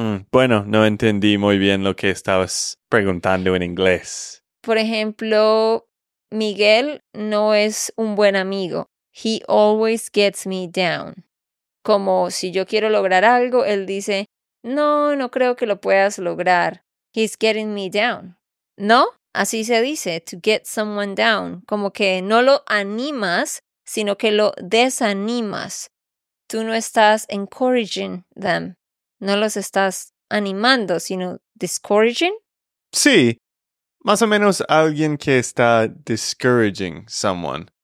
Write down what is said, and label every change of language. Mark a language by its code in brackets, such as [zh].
[es] Bueno, no entendí muy bien lo que estabas preguntando en inglés. Por ejemplo, Miguel no es un buen amigo. [en] He always gets me down. [es] Como si yo quiero lograr algo, él dice, no, no creo que lo puedas lograr. [en] He's getting me down. ¿No? [es] Así se dice, [en] to get someone down. [es] Como que no lo animas, sino que lo desanimas. Tú no estás encouraging them. No los estás animando, sino discouraging. Sí. Más o menos alguien que está [en] discouraging someone.